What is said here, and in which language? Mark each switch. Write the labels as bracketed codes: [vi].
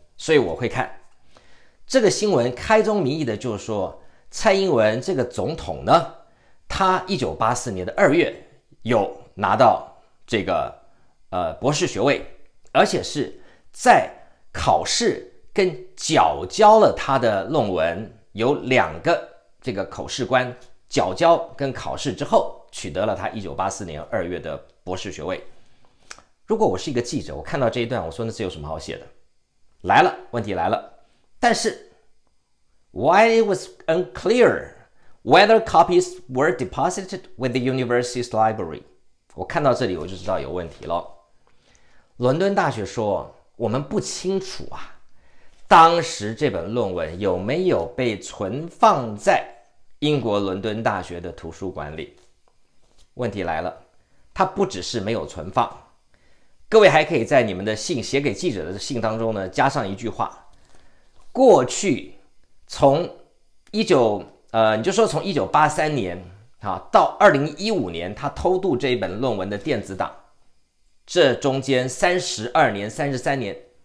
[zh] 所以我会看这个新闻，开宗明义的就是说，蔡英文这个总统呢，他1984年的2月有拿到这个博士学位，而且是在考试跟缴交了他的论文，有两个这个口试官缴交跟考试之后，取得了他1984年2月的博士学位。如果我是一个记者，我看到这一段，我说那这有什么好写的？来了，问题来了。但是 [en] why it was unclear whether copies were deposited with the university's library， [zh] 我看到这里我就知道有问题了。伦敦大学说我们不清楚啊，当时这本论文有没有被存放在英国伦敦大学的图书馆里。问题来了，它不只是没有存放，各位还可以在你们的信，写给记者的信当中呢，加上一句话，过去从你就说从1983年到2015年他偷渡这一本论文的电子档，这中间32年33年，